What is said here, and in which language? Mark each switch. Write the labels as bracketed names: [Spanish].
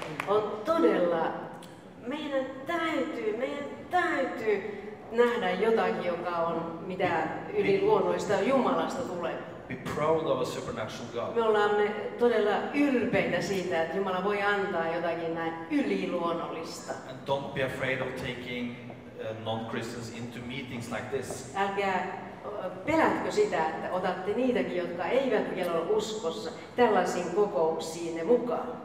[Finnish] On todella, meidän täytyy nähdä jotakin, joka on mitä yliluonnoista Jumalasta tulee. [English] Be proud of a supernatural God. [Finnish] Me olemme todella ylpeitä siitä, että Jumala voi antaa jotakin näin yliluonnollista. [English] And don't be afraid of taking non-Christians into meetings like this. [Finnish] Älkää pelätkö sitä, että otatte niitäkin, jotka eivät vielä ole uskossa, tällaisiin kokouksiin ne mukaan.